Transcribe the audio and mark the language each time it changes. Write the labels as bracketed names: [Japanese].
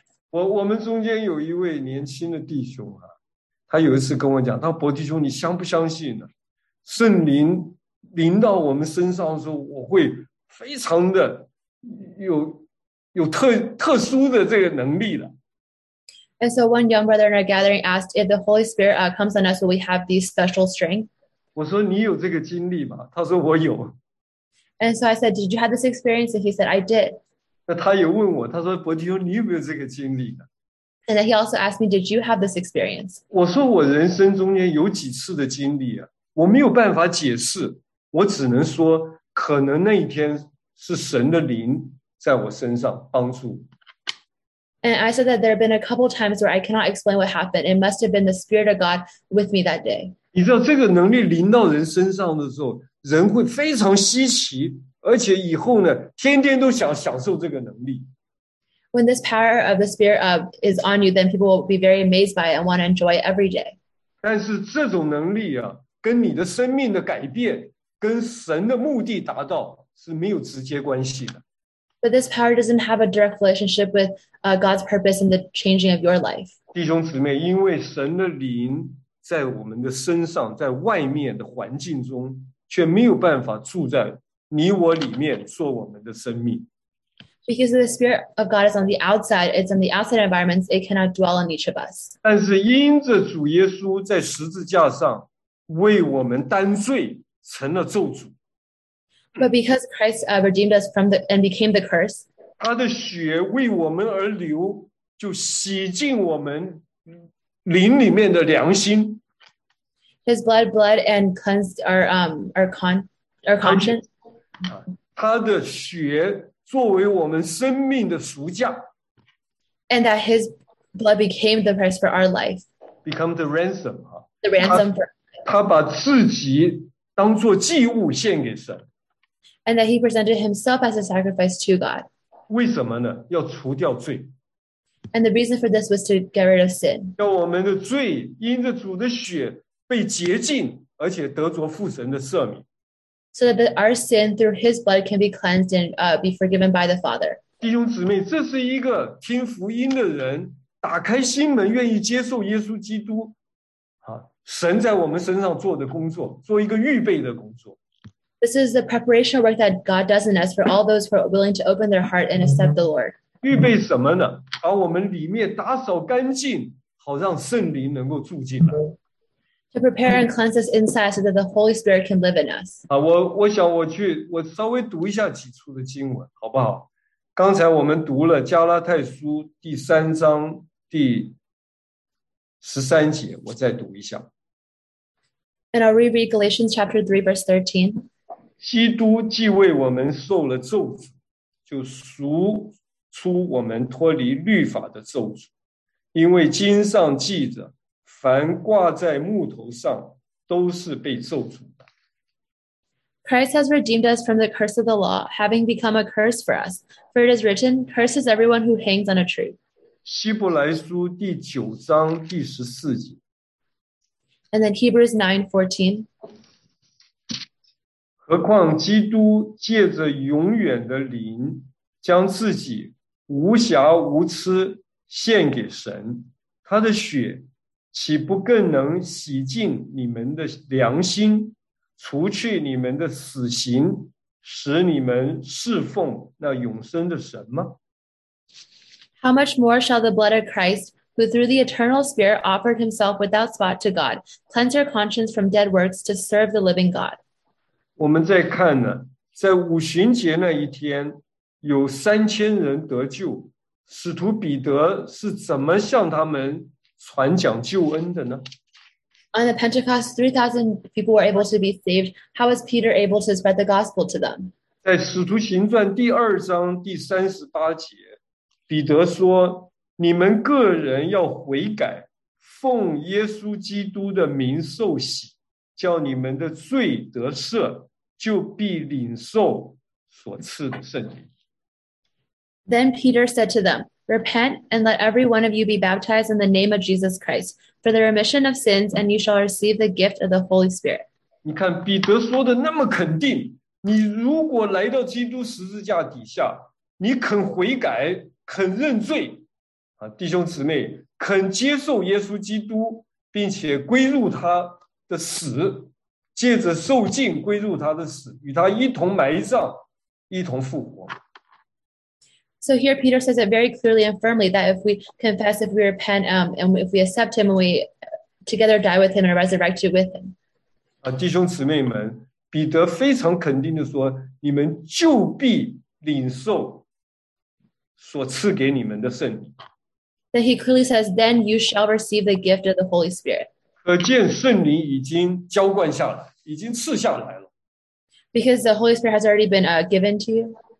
[Chinese] 我们中间有一位年轻的弟兄啊，他有一次跟我讲，他说：“伯弟兄，你相不相信呢？圣灵。” 临到我们身上的时候，我会非常的有特殊的这个能力的。 [English] And so one young brother in our gathering asked if the Holy Spirit comes on us, will we have these special strength? [Chinese] 我说你有这个经历吗？他说我有。 [English] And so I said, did you have this experience? And he said, I did. [Chinese] 那他也问我，他说伯弟兄，你有没有这个经历呢？ [English] And then he also asked me, did you have this experience? [Chinese] 我说我人生中间有几次的经历啊，我没有办法解释。我只能说，可能那一天是神的灵在我身上帮助。 [English] And I said that there have been a couple of times where I cannot explain what happened. It must have been the Spirit of God with me that day. [Chinese] 你知道这个能力临到人身上的时候，人会非常稀奇，而且以后呢，天天都想享受这个能力。 [English] When this power of the Spirit is on you, then people will be very amazed by it and want to enjoy it every day. [Chinese] 但是这种能力啊，跟你的生命的改变。跟神的目的达到是没有直接关系的。 [English] But this power doesn't have a direct relationship with God's purpose in the changing of your life. [Chinese] 弟兄姊妹，因为神的灵在我们的身上，在外面的环境中，却没有办法住在你我里面做我们的生命。 [English] Because the Spirit of God is on the outside, it's in the outside environments, it cannot dwell in each of us. [Chinese] 但是因着主耶稣在十字架上为我们担罪。成了咒诅。 [English] But because Christ redeemed us from the and became the curse, [Chinese] 他的血为我们而流，就洗净我们灵里面的良心。 [English] His blood and cleansed our conscience. [Chinese] 他的血作为我们生命的赎价。 [English] And that his blood became the price for our life. Become the ransom. The ransom for. [Chinese] 他把自己。当作祭物献给神。 [English] And that he presented himself as a sacrifice to God. [Chinese] 为什么呢？要除掉罪。 [English] And the reason for this was to get rid of sin. [Chinese] 要我们的罪因着主的血被洁净，而且得着父神的赦免。 [English] So that our sin through his blood can be cleansed and be forgiven by the Father. [Chinese] 弟兄姊妹，这是一个听福音的人，打开心门，愿意接受耶稣基督。神在我们身上做的工作，做一个预备的工作。 [English] This is the preparation work that God does in us for all those who are willing to open their heart and accept the Lord. [Chinese] 预备什么呢？把我们里面打扫干净，好让圣灵能够住进来。 [English] To prepare and cleanse us inside so that the Holy Spirit can live in us. [Chinese] 我稍微读一下几处的经文，好不好？刚才我们读了加拉太书第三章第。 13节，我再读一下。 [English] And I'll reread Galatians chapter 3, verse 13. [Chinese] 基督既为我们受了咒诅，就赎出我们脱离律法的咒诅。因为经上记着，凡挂在木头上都是被咒诅的。 [English] Christ has redeemed us from the curse of the law, having become a curse for us. For it is written, curses everyone who hangs on a tree. [Chinese] 希伯来书第九章第十四节。 [English] And then Hebrews 9:14. [Chinese] 何况基督借着永远的灵，将自己无瑕无疵献给神，他的血岂不更能洗净你们的良心，除去你们的死刑，使你们侍奉那永生的神吗？ [English] How much more shall the blood of Christ, who through the eternal Spirit offered himself without spot to God, cleanse your conscience from dead works to serve the living God? [Chinese] 我们再看呢，在五旬节那一天，有三千人得救，使徒彼得是怎么向他们传讲救恩的呢？ [English] On the Pentecost, 3,000 people were able to be saved. How was Peter able to spread the gospel to them? [Chinese] 在《使徒行传》第二章第三十八节，彼得说：“你们个人要悔改，奉耶稣基督的名受洗，叫你们的罪得赦，就必领受所赐的圣灵。” [English] Then Peter said to them,Repent, and let every one of you be baptized in the name of Jesus Christ for the remission of sins, and you shall receive the gift of the Holy Spirit. [Chinese] 你看彼得说的那么肯定，你如果来到基督十字架底下，你肯悔改，肯认罪，弟兄姊妹，肯接受耶稣基督，并且归入他的死，借着受浸归入他的死，与他一同埋葬，一同复活。 [English] So here Peter says it very clearly and firmly that if we confess, if we repent, and if we accept him, and we together die with him and resurrect you with him. [Chinese] 弟兄姊妹们，彼得非常肯定地说，你们就必领受所赐给你们的圣灵。 [English] Then he clearly says, then you shall receive the gift of the Holy Spirit. [Chinese] 可见圣灵已经浇灌下来，已经赐下来了。 [English] Because the Holy Spirit has already been given to you.